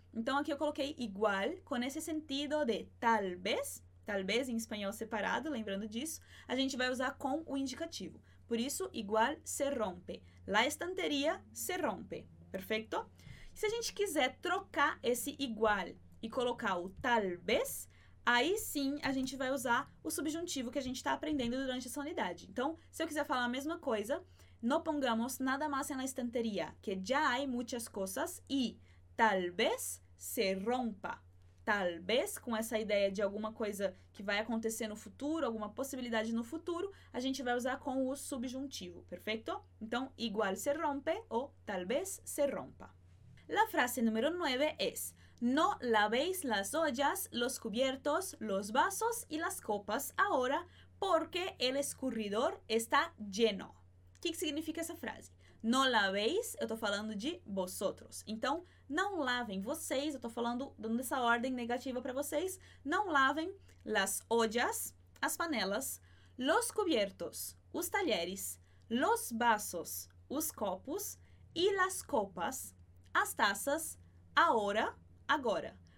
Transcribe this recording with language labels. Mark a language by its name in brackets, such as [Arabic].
[Portuguese] Então aqui eu coloquei igual com esse sentido de talvez em espanhol separado, lembrando disso, a gente vai usar com o indicativo. Por isso, [Spanish] igual se rompe. La estantería se rompe. [Portuguese] Perfeito? Se a gente quiser trocar esse igual e colocar o talvez, aí sim a gente vai usar o subjuntivo que a gente está aprendendo durante essa unidade. Então, se eu quiser falar a mesma coisa, [Spanish] no pongamos nada más en la estantería, que ya hay muchas cosas y talvez se rompa. [Portuguese] Talvez, com essa ideia de alguma coisa que vai acontecer no futuro, alguma possibilidade no futuro, a gente vai usar com o subjuntivo, perfeito? Então, [Spanish] igual se rompe ou talvez se rompa. La frase número 9 es: no lavéis las ollas, los cubiertos, los vasos y las copas ahora porque el escurridor está lleno. [Portuguese] O que significa essa frase? [Spanish] No lavéis, [Portuguese] eu tô falando de vosotros. Então, não lavem vocês, eu tô falando, dando essa ordem negativa para vocês. Não lavem [Spanish] las ollas, [Portuguese] as panelas, [Spanish] los cubiertos, [Portuguese] os talheres, [Spanish] los vasos, [Portuguese] os copos, e [Spanish] las copas, [Portuguese] as taças, [Spanish] ahora, [Portuguese] agora.